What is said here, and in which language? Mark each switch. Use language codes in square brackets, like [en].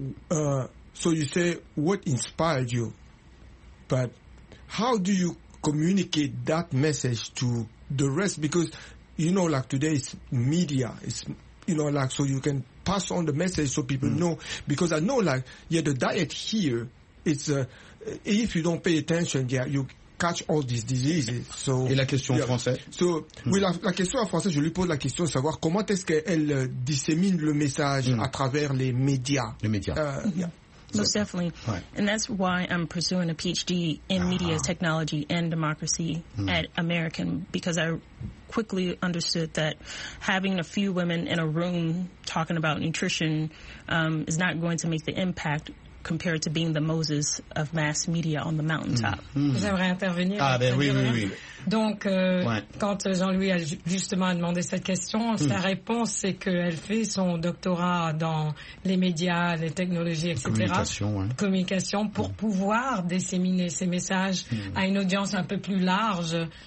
[en] So you say what inspired you, but how do you communicate that message to the rest? Because you know, like today it's media, it's, you know, like, so you can pass on the message so people know. Because I know, like, yeah, the diet here, it's, if you don't pay attention, yeah, you catch all these diseases. So. [fr] Et la question en français? So, oui, la question en français, je lui pose la question de savoir comment est-ce qu'elle dissémine le message à travers les médias. Les médias. [en] Most definitely. Right. And that's why I'm pursuing a PhD in media technology and democracy at American, because I quickly understood that having a few women in a room talking about nutrition is not going to make the impact compared to being the Moses of mass media on the mountaintop. [fr] Vous aimeriez intervenir? Oui. Donc, quand Jean-Louis a justement demandé cette question, sa réponse, c'est qu'elle fait son doctorat dans les médias, les technologies, etc. Communication, pour pouvoir disséminer ces messages à une audience un peu plus large.